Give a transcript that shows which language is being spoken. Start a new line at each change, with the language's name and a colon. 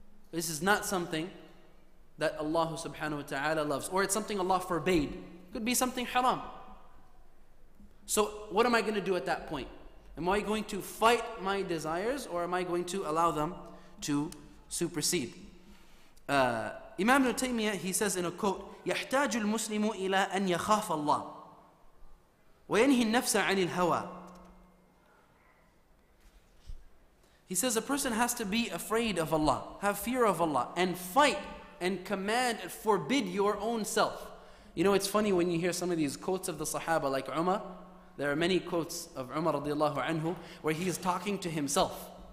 English: This is not something that Allah subhanahu wa ta'ala loves. Or it's something Allah forbade. It could be something haram. So what am I going to do at that point? Am I going to fight my desires, or am I going to allow them to supersede? Imam Taymiyyah, he says in a quote,
Arabic: يَحْتَاجُ الْمُسْلِمُ إِلَىٰ أَنْ يَخَافَ اللَّهِ وَيَنْهِ النَّفْسَ عَنِ الْهَوَىٰ.
English: He says a person has to be afraid of Allah, have fear of Allah, and fight and command and forbid your own self. You know, it's funny when you hear some of these quotes of the Sahaba, like Umar. There are many quotes of Umar radiallahu anhu where he is talking to himself.